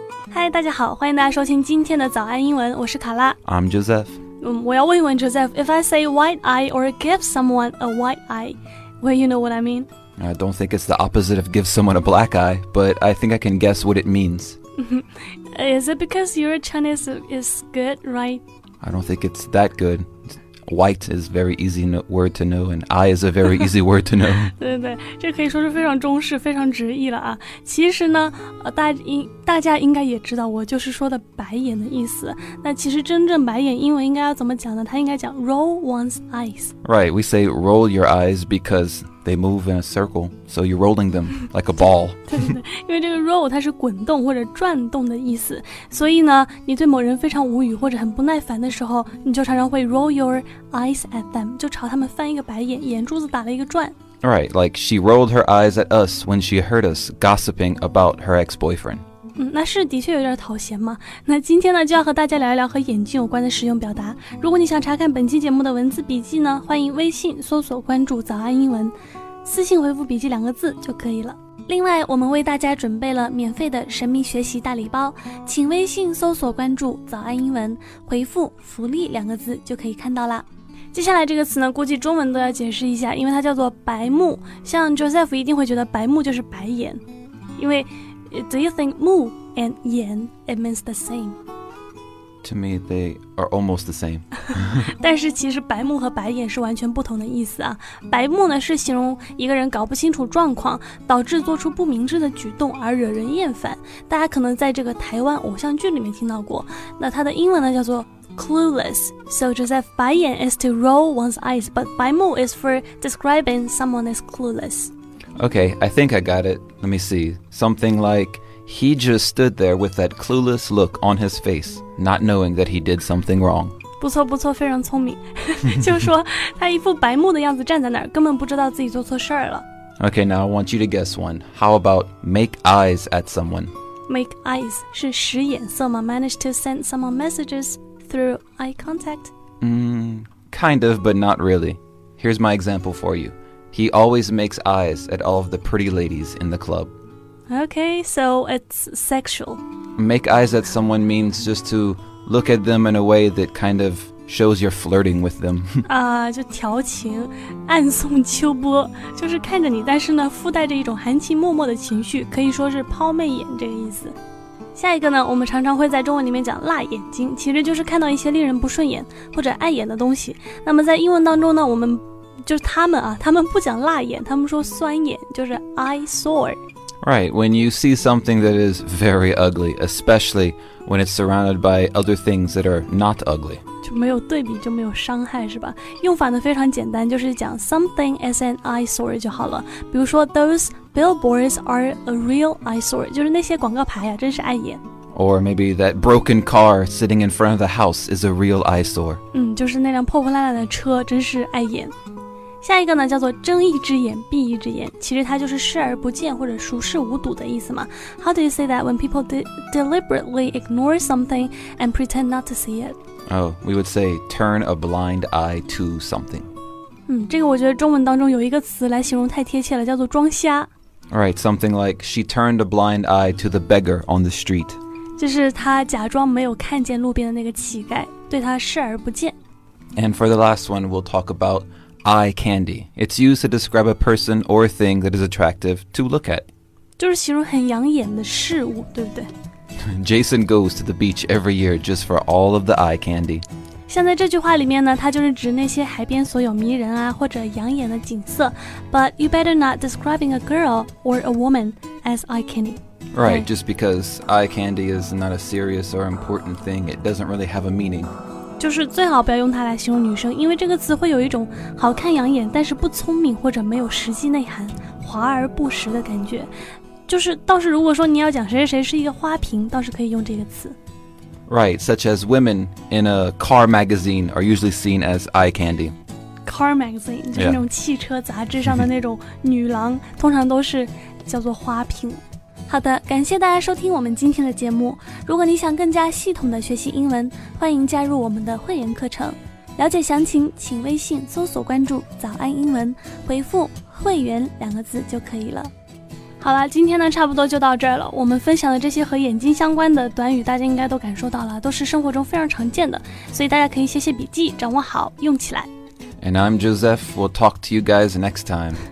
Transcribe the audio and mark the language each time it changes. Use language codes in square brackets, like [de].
[zh] 嗨，大家好，欢迎大家收听今天的早安英文，我是卡拉。 [en] I'm Joseph. [zh] 我要问一问 [en] Joseph, if I say white eye or give someone a white eye, well, you know what I mean? I don't think it's the opposite of give someone a black eye, but I think I can guess what it means. Is it because your Chinese is good, right? I don't think it's that good. White is very easy word to know, and eye is a very easy word to know. [zh] 对，这可以说是非常中式，非常直译了啊。其实呢，大家应该也知道，我就是说的白眼的意思。那其实真正白眼英文应该要怎么讲呢？它应该讲 [en] roll one's eyes. Right, we say roll your eyes because they move in a circle, so you're rolling them like a ball. [zh] 对，因为这个 roll 它是滚动或者转动的意思，所以呢，你对某人非常无语或者很不耐烦的时候，你就常常会 [en] roll your eyes at them, [zh] 就朝他们翻一个白眼，眼珠子打了一个转。 [en] Right, like she rolled her eyes at us when she heard us gossiping about her ex-boyfriend. [zh] 那是的确有点讨嫌嘛。那今天呢，就要和大家聊一聊和眼睛有关的实用表达。如果你想查看本期节目的文字笔记呢，欢迎微信搜索关注早安英文，私信回复笔记两个字就可以了。另外，我们为大家准备了免费的神秘学习大礼包，请微信搜索关注早安英文，回复福利两个字就可以看到啦。接下来这个词呢，估计中文都要解释一下，因为它叫做白目。像 Joseph 一定会觉得白目就是白眼，因为 [en] Do you think 目 and 眼 it means the same? To me, they are almost the same. [zh] 但是其实白目和白眼是完全不同的意思啊。白目呢是形容一个人搞不清楚状况，导致做出不明智的举动而惹人厌烦。大家可能在这个台湾偶像剧里面听到过。那它的英文呢叫做 clueless. [en] So Joseph, 白眼 is to roll one's eyes, but 白目 is for describing someone is clueless. Okay, I think I got it. Let me see. Something like, he just stood there with that clueless look on his face, not knowing that he did something wrong. [zh] 不错不错，非常聪明。就说他一副白目的样子站在那儿，根本不知道自己做错事儿了。 [en] Okay, now I want you to guess one. How about make eyes at someone? [zh] Make eyes 是使眼色吗？ [en] Manage to send someone messages through eye contact? Kind of, but not really. Here's my example for you. He always makes eyes at all of the pretty ladies in the club. Okay, so it's sexual. Make eyes at someone means just to look at them in a way that kind of shows you're flirting with them. [zh] 就调情，暗送秋波，就是看着你，但是呢，附带着一种含情脉脉的情绪，可以说是抛媚眼这个意思。下一个呢，我们常常会在中文里面讲辣眼睛，其实就是看到一些令人不顺眼或者碍眼的东西。那么在英文当中呢，我们就是他们啊，他们不讲辣眼，他们说酸眼，就是 eyesore. [en] Right, when you see something that is very ugly, especially when it's surrounded by other things that are not ugly. [zh] 就没有对比就没有伤害是吧？用法呢非常简单，就是讲 [en] something as an eyesore [zh] 就好了。比如说 [en] those billboards are a real eyesore, [zh] 就是那些广告牌啊，真是碍眼。 [en] Or maybe that broken car sitting in front of the house is a real eyesore. [zh] 就是那辆破破烂烂的车真是碍眼。下一个呢叫做睁一只眼闭一只眼，其实它就是视而不见或者熟视无睹的意思嘛。 [en] How do you say that when people deliberately ignore something and pretend not to see it? Oh, we would say turn a blind eye to something. [zh] 这个我觉得中文当中有一个词来形容太贴切了，叫做装瞎。 [en] Right, something like she turned a blind eye to the beggar on the street. [zh] 就是她假装没有看见路边的那个乞丐，对她视而不见。 [en] And for the last one, we'll talk aboutEye candy. It's used to describe a person or a thing that is attractive to look at. [zh] 就是形容很养眼的事物，对不对？ [en] Jason goes to the beach every year just for all of the eye candy. [zh] 像在这句话里面呢，它就是指那些海边所有迷人啊，或者养眼的景色。 [en] But you better not describing a girl or a woman as eye candy. Right, just because eye candy is not a serious or important thing, it doesn't really have a meaning. [zh] 就是最好不要用它来形容女生，因为这个词会有一种好看养眼但是不聪明或者没有实际内涵，华而不实的感觉。就是倒是如果说你要讲谁谁谁是一个花瓶，倒是可以用这个词。 [en] Right, such as women in a car magazine are usually seen as eye candy. [zh] Car magazine 就是那种汽车杂志上的那种女郎，通常都是叫做花瓶。好的，感谢大家收听我们今天的节目。如果你想更加系统的学习英文，欢迎加入我们的会员课程。了解详情，请微信搜索关注早安英文，回复会员两个字就可以了。好了，今天呢差不多就到这儿了。我们分享的这些和眼睛相关的短语，大家应该都感受到了，都是生活中非常常见的，所以大家可以写写笔记，掌握好，用起来。 [en] And I'm Joseph. We'll talk to you guys next time.